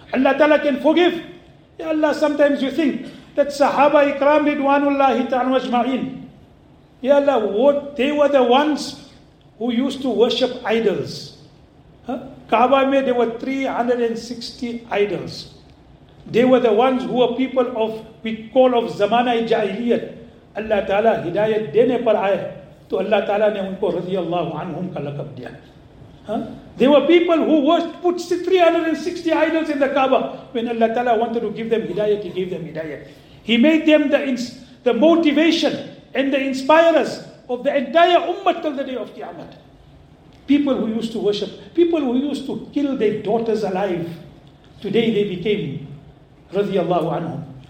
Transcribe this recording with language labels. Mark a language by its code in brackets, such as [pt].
[en] Allah Ta'ala can forgive. Ya Allah, sometimes you think that Sahaba Ikram Ridwanullahi Ta'ala Majma'in. Ya Allah, what, they were the ones who used to worship idols. Kaaba mein there were 360 idols. They were the ones who were people of, we call of Zamana Jahiliyat. [ur] اللہ تعالیٰ ہدایت دینے پر آئے تو اللہ تعالیٰ نے ان کو رضی اللہ عنہم کا لقب دیا. [en] They were people who worshipped, put 360 idols in the Kaaba. When Allah Ta'ala wanted to give them hidayah, He gave them hidayah. He made them the motivation and the inspirers of the entire ummah till the day of Qiyamah. People who used to worship, people who used to kill their daughters alive, today they became radiyallahu anhum.